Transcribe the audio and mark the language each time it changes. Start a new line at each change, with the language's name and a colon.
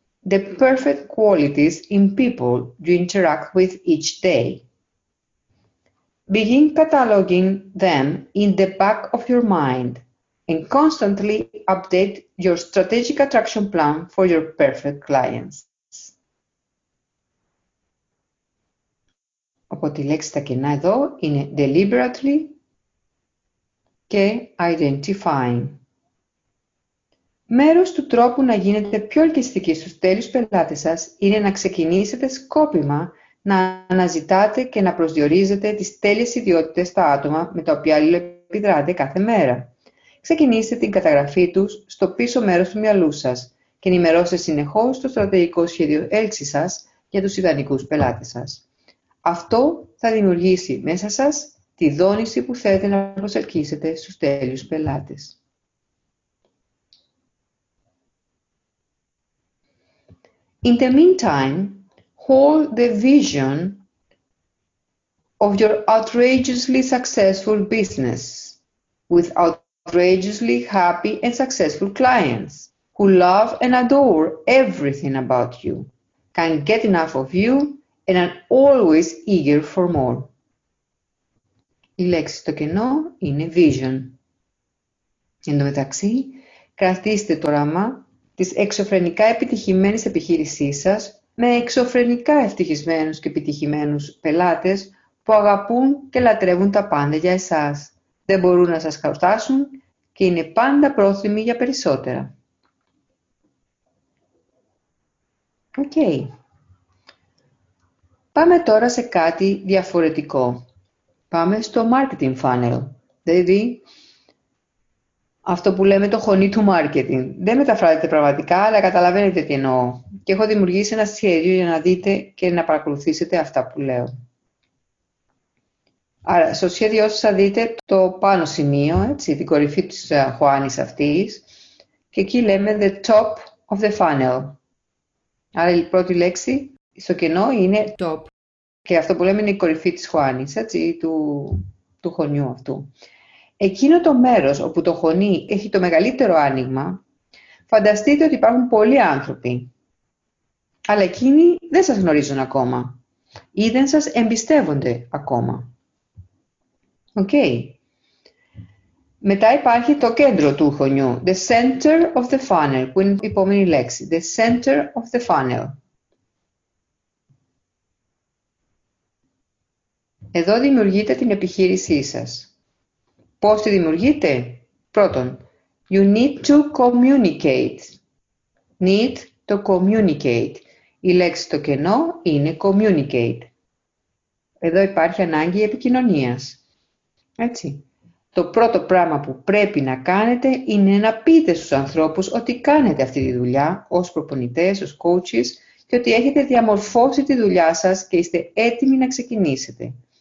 English: the perfect qualities in people you interact with each day. Begin cataloging them in the back of your mind and constantly update your strategic attraction plan for your perfect clients.
Greek: Οπότε η λέξη τα κενά εδώ είναι deliberately και identifying. Μέρος του τρόπου να γίνετε πιο ελκυστικοί στους τέλειους πελάτες σας είναι να ξεκινήσετε σκόπιμα να αναζητάτε και να προσδιορίζετε τις τέλειες ιδιότητες στα άτομα με τα οποία αλληλεπιδράτε κάθε μέρα. Ξεκινήστε την καταγραφή τους στο πίσω μέρος του μυαλού σας και ενημερώστε συνεχώς το στρατηγικό σχέδιο έλξης σας για τους ιδανικούς πελάτες σας. Αυτό θα δημιουργήσει μέσα σας τη δόνηση που θέλετε να προσελκύσετε στους τέλειους πελάτες.
English: In the meantime, hold the vision of your outrageously successful business with outrageously happy and successful clients who love and adore everything about you, can't get enough of you, and are always eager for more.
Greek: Η λέξη στο κενό είναι vision. Εν τω μεταξύ, κρατήστε το όραμα της εξωφρενικά επιτυχημένης επιχείρησής σας με εξωφρενικά ευτυχισμένους και επιτυχημένους πελάτες που αγαπούν και λατρεύουν τα πάντα για εσάς. Δεν μπορούν να σας χαρτάσουν και είναι πάντα πρόθυμοι για περισσότερα.
English: Okay.
Greek: Πάμε τώρα σε κάτι διαφορετικό. Πάμε στο marketing funnel, δηλαδή αυτό που λέμε το χωνί του marketing. Δεν μεταφράζεται πραγματικά, αλλά καταλαβαίνετε τι εννοώ. Και έχω δημιουργήσει ένα σχέδιο για να δείτε και να παρακολουθήσετε αυτά που λέω. Άρα, στο σχέδιό σας θα δείτε το πάνω σημείο, έτσι, την κορυφή της χωάνης αυτής. Και εκεί λέμε
English: the top of the funnel.
Greek: Άρα, η πρώτη λέξη στο κενό είναι
English: top.
Greek: Και αυτό που λέμε είναι η κορυφή της χωάνης, έτσι, του χωνιού αυτού. Εκείνο το μέρος όπου το χωνί έχει το μεγαλύτερο άνοιγμα, φανταστείτε ότι υπάρχουν πολλοί άνθρωποι. Αλλά εκείνοι δεν σας γνωρίζουν ακόμα ή δεν σας εμπιστεύονται ακόμα. Okay. Μετά υπάρχει το κέντρο του χωνιού,
English: the center of the funnel,
Greek: που είναι η επόμενη λέξη, the center of the funnel. Εδώ δημιουργείτε την επιχείρησή σας. Πώς τη δημιουργείτε?
English: Πρώτον, you need to communicate. Need to communicate.
Greek: Η λέξη το κενό είναι communicate. Εδώ υπάρχει ανάγκη επικοινωνίας. Έτσι. Το πρώτο πράγμα που πρέπει να κάνετε είναι να πείτε στους ανθρώπους ότι κάνετε αυτή τη δουλειά ως προπονητές, ως coaches και ότι έχετε διαμορφώσει τη δουλειά σας και είστε έτοιμοι να ξεκινήσετε.